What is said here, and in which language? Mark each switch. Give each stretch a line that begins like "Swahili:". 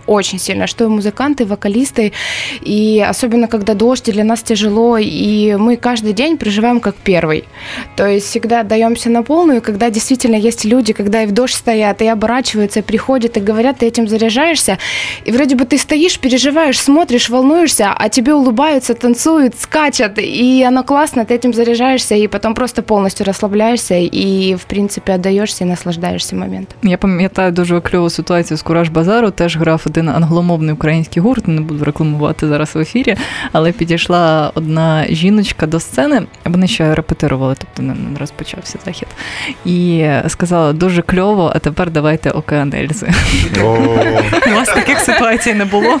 Ukrainian: Дуже сильно, що і музиканти, і вокалісти, і особливо, коли дощ, для нас тяжело, і ми кожен день переживаємо як перший. Тобто, завжди даємося на повну, і коли дійсно є люди, коли і в дощ стоять,
Russian: и оборачиваются, приходят и говорят, ты этим заряжаешься. И вроде бы ты стоишь, переживаешь, смотришь, волнуешься, а тебе улыбаются, танцуют, скачут, и оно классно, ты этим заряжаешься, и потом просто полностью расслабляешься и, в принципе, отдаешься и наслаждаешься моментом.
Ukrainian: Я пам'ятаю дуже кльову ситуацію з Кураж-базару, теж грав один англомовний український гурт, не буду рекламувати зараз в ефірі, але підійшла одна жіночка до сцени, вони ще репетирували, тобто не розпочався захід, і сказала дуже кльово, а тепер тепер давайте ОК-анелізи. У вас таких ситуацій не було?